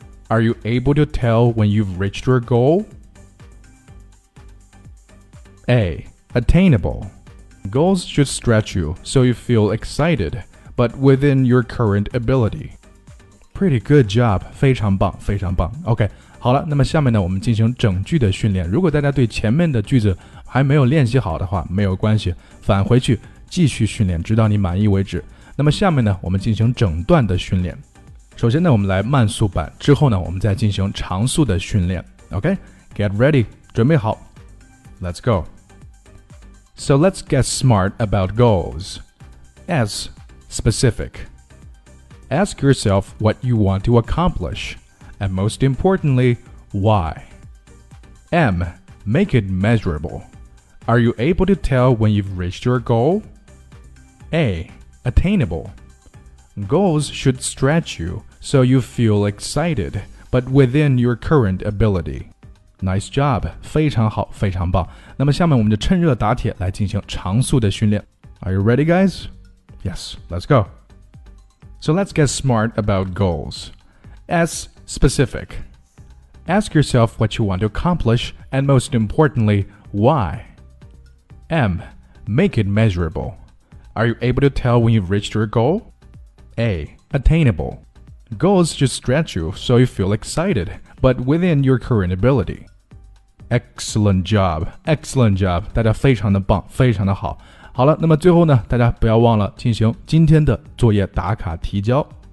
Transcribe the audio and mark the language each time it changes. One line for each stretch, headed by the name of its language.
English: Are you able to tell when you've reached your goal? A. Attainable. Goals should stretch you so you feel excited, but within your current ability. Pretty good job.
Chinese: 非常棒，非常棒。 OK, 好了，那么下面呢，我们进行整句的训练。如果大家对前面的句子还没有练习好的话，没有关系，返回去继续训练，直到你满意为止。那么下面呢，我们进行整段的训练。首先呢，我们来慢速版，之后呢，我们再进行长速的训练。
English: OK, get ready,
Chinese: 准备好。
English: Let's go. So let's get smart about goals. S, specific. Ask yourself what you want to accomplish, and most importantly, why. M, make it measurable. Are you able to tell when you've reached your goal? A. Attainable. Goals should stretch you so you feel excited, but within your current ability. Nice job.
Chinese: 非常好，非常棒。那么下面我们就趁热打铁来进行长速的训练。
English: Are you ready, guys? Yes, let's go. So let's get smart about goals. S. Specific. Ask yourself what you want to accomplish, and most importantly, why. M. Make it measurable. Are you able to tell when you've reached your goal? A. Attainable. Goals should stretch you so you feel excited, but within your current ability. Excellent job. Excellent job.
Chinese: 大家非常的棒，非常的好。好了，那么最后呢，大家不要忘了进行今天的作业打卡提交。